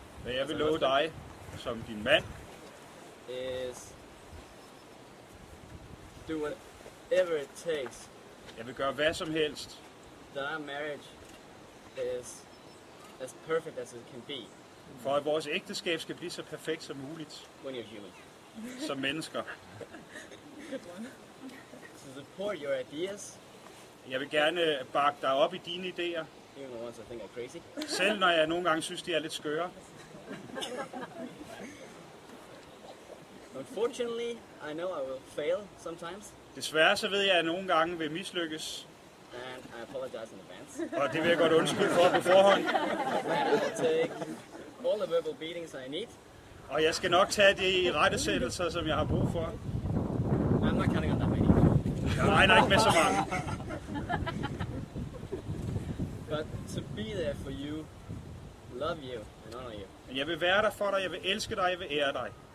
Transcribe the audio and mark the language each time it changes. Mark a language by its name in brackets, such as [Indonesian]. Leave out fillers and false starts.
[Danish] Hvad jeg vil love dig som din mand? [English] Is do whatever it takes. [Danish] Jeg vil gøre hvad som helst. [English] That our marriage is as perfect as it can be. [Danish] For at vores ægteskab skal blive så perfekt som muligt. [English] When you're human. [Danish] Som mennesker. [English] To support your ideas. [Danish] Jeg vil gerne bakke dig op i dine idéer. [English] Even the ones I think are crazy. [Danish] Selv når jeg nogle gange synes, de er lidt skøre. [English] Unfortunately, I know I will fail sometimes. [Danish] Desværre så ved jeg, at nogle gange vil mislykkes. [English] And I apologize in advance. [Danish] Og det vil jeg godt undskylde for på forhånd. [English] And I will take all the verbal beatings I need. [Danish] Og jeg skal nok tage de rettesættelser, som jeg har brug for. [English] I'm not counting on that many. [Danish] Jeg regner ikke med så mange. [English] But to be there for you, love you and honor you. [Danish] Men jeg vil være der for dig, jeg vil elske dig, jeg vil ære dig.